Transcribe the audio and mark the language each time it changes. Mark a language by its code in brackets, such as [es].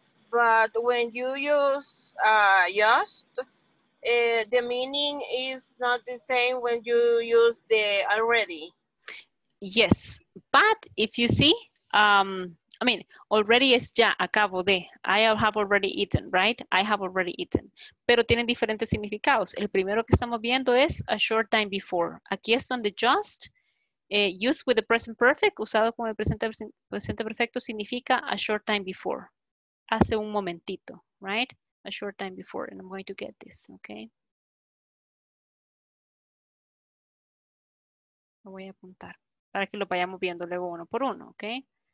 [en] But when you use just, the meaning is not the same when you use the already. Yes, but if you see, I mean, already [es] es ya, acabo de, [en] I have already eaten, right? I have already eaten. [es] Pero tienen diferentes significados. El primero que estamos viendo es [en] a short time before. [es] Aquí es donde just [en] Used with the present perfect, [es] usado con el presente perfecto, significa [en] a short time before. [es] Hace un momentito, right? [en] A short time before, and I'm going to get this, okay? [es] Lo voy a apuntar para que lo vayamos viendo luego uno por uno, okay?